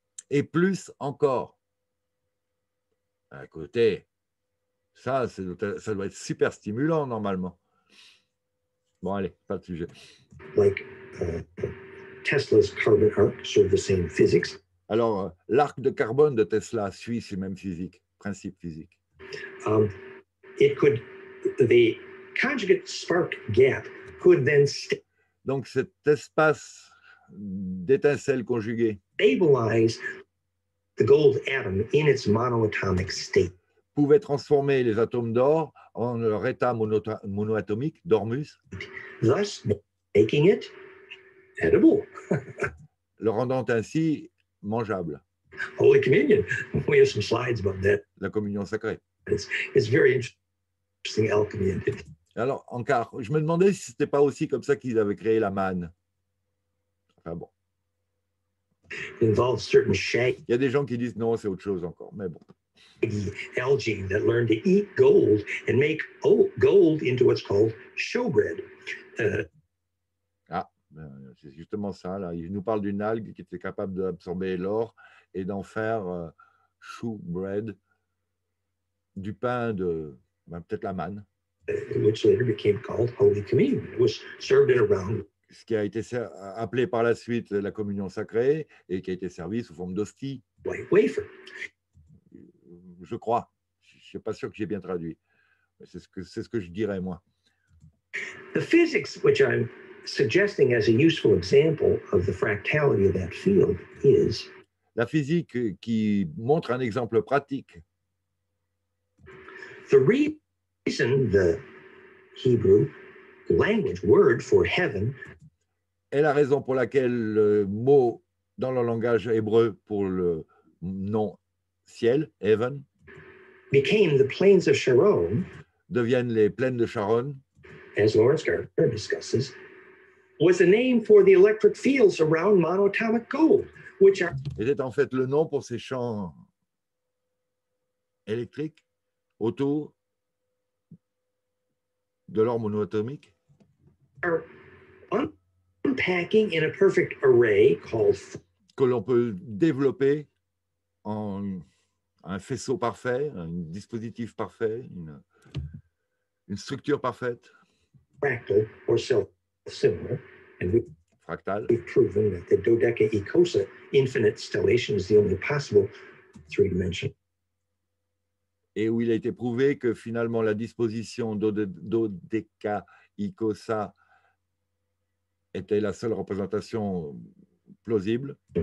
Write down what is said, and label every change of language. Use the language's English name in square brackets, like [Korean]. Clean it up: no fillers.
[French] Et plus encore. Écoutez, ça, ça doit être super stimulant, normalement. Bon, allez, pas de sujet. [English] Tesla's carbon arc sort of the same physics. [French] Alors, l'arc de carbone de Tesla suit ces mêmes physiques, principes physiques. [English] The conjugate spark gap could then [French] donc cet espace d'étincelles conjuguées [English] stabilize the gold atom in its monoatomic state. [French] Pouvait transformer les atomes d'or en leur état monoatomique d'Ormus. [English] Thus making it edible. [French] Le rendant ainsi mangeable. [English] Holy Communion. We have some slides about that. [French] La communion sacrée. [English] It's very interesting alchemy. [French] Alors, encore, je me demandais si ce n'était pas aussi comme ça qu'ils avaient créé la manne. Enfin bon. [English] It involves certain shapes. [French] Il y a des gens qui disent non, c'est autre chose encore, mais bon. [English] Algae that learn to eat gold and make gold into what's called showbread. [French] C'est justement ça, là. Il nous parle d'une algue qui était capable d'absorber l'or et d'en faire shoe bread, du pain de, ben, peut-être la manne. [English] Which later became called Holy Communion. It was served in a round. [French] Ce qui a été appelé par la suite la communion sacrée et qui a été servi sous forme d'hostie. [English] White wafer. [French] Je crois. Je ne suis pas sûr que j'ai bien traduit. Mais c'est ce que je dirais, moi. [English] The physics, which I'm suggesting as a useful example of the fractality of that field is [French] la physique qui montre un exemple pratique. [English] The reason the Hebrew language word for heaven [French] est la raison pour laquelle le mot dans le langage hébreu pour le nom ciel, heaven, [English] became the plains of Sharon, [French] deviennent les plaines de Sharon, [English] as Lawrence Gardner discusses, was the name for the electric fields around monatomic gold, which are. [French] Était en fait le nom pour ces champs électriques autour de l'or monatomique. [English] Are unpacking in a perfect array called. [French] Que l'on peut développer en un faisceau parfait, un dispositif parfait, une structure parfaite. [English] Fractal or self-similar. And fractal. We've proven that the dodeca-icosa infinite stellation is the only possible three-dimension. [French] Et où il a été prouvé que finalement la disposition dodeca-icosa était la seule représentation plausible.